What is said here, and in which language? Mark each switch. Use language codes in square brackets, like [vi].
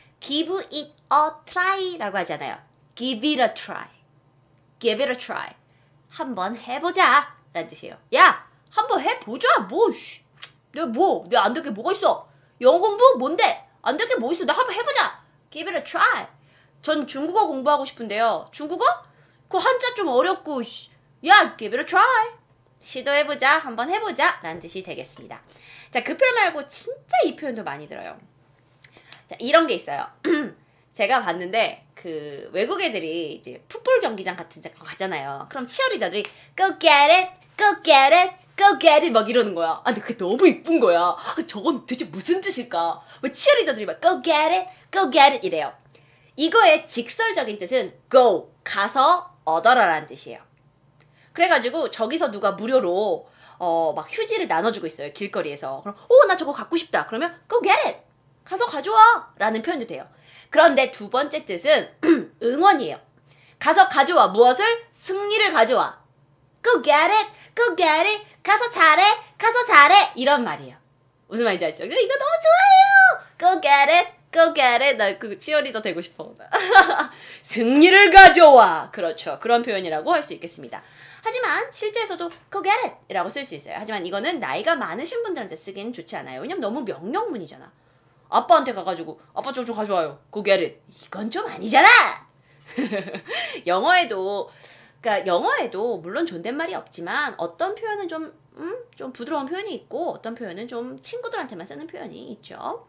[en] Give it a try [ko] 라고 하잖아요. [en] Give it a try. Give it a try. [ko] 한번 해보자 라는 뜻이에요. [en] 야! [ko] 한번 해보자. 뭐 씨. 내가 뭐 내가 안 될 게 뭐가 있어. 영어 공부 뭔데 안 될 게 뭐 있어. 나 한번 해보자. [en] Give it a try. [ko] 전 중국어 공부하고 싶은데요. 중국어? 그 한자 좀 어렵고. 야, [en] give it a try. [ko] 시도해보자. 한번 해보자. 라는 뜻이 되겠습니다. 자, 그 표현 말고 진짜 이 표현도 많이 들어요. 자, 이런 게 있어요. 제가 봤는데 그 외국 애들이 이제 풋볼 경기장 같은 데 가잖아요. 그럼 치어리더들이 [en] go get it, go get it, go get it [ko] 막 이러는 거야. 아, 근데 그게 너무 이쁜 거야. 아, 저건 대체 무슨 뜻일까? 왜 치어리더들이 막 [en] go get it, go get it [ko] 이래요. 이거의 직설적인 뜻은 go, 가서 얻어라라는 뜻이에요. 그래가지고 저기서 누가 무료로 막 휴지를 나눠주고 있어요, 길거리에서. 그럼 오, 나 저거 갖고 싶다. 그러면 [en] go get it, [ko] 가서 가져와 라는 표현도 돼요. 그런데 두 번째 뜻은 응원이에요. 가서 가져와. 무엇을? 승리를 가져와. [en] Go get it! Go get it! [ko] 가서 잘해! 가서 잘해! 이런 말이에요. 무슨 말인지 아시죠? 저 이거 너무 좋아해요! [en] Go get it! Go get it! [ko] 나 그 치어리더 되고 싶어. 승리를 가져와! 그렇죠. 그런 표현이라고 할 수 있겠습니다. 하지만 실제에서도 [en] go get it! [ko] 이라고 쓸 수 있어요. 하지만 이거는 나이가 많으신 분들한테 쓰기는 좋지 않아요. 왜냐면 너무 명령문이잖아. 아빠한테 가가지고 아빠 저거 가져와요. [en] Go get it. [ko] 이건 좀 아니잖아. 영어에도 그러니까 영어에도 물론 존댓말이 없지만 어떤 표현은 좀 부드러운 표현이 있고 어떤 표현은 좀 친구들한테만 쓰는 표현이 있죠.